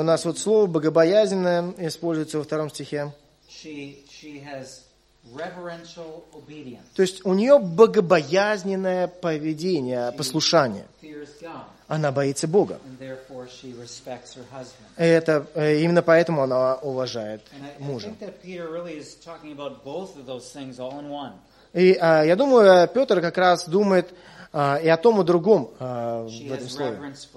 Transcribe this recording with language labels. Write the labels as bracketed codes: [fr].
[ru] У нас вот слово богобоязненное используется во втором стихе. [en] She has reverential obedience. [ru] То есть у нее богобоязненное поведение, [en] she [ru] послушание. [en] Fears God. [ru] Она боится Бога. [en] And therefore she respects her husband. [ru] Это именно поэтому она уважает мужа. [en] And I think that Peter really is talking about both of those things all in one. [ru] И я думаю, Петр как раз думает и о том, и о другом в этом слове.